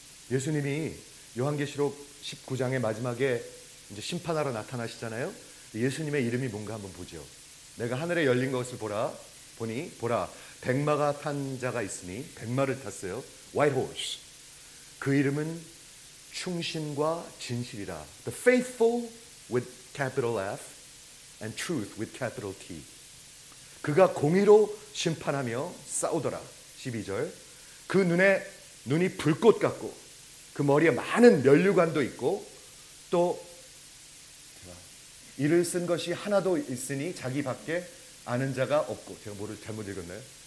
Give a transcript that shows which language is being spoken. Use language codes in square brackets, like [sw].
[ko] 예수님이 요한계시록 19장의 마지막에 이제 심판하러 나타나시잖아요. 예수님의 이름이 뭔가 한번 보죠. 내가 하늘에 열린 것을 보라 백마가 탄 자가 있으니 백마를 탔어요. [en] White horse. [ko] 그 이름은 충신과 진실이라. [en] The faithful with capital F and truth with capital T. [ko] 그가 공의로 심판하며 싸우더라. 12절. 그 눈에 눈이 불꽃 같고 그 머리에 많은 면류관도 있고 또 이를 쓴 것이 하나도 있으니 자기밖에 아는 자가 없고, 제가 뭐를 잘못 읽었나요?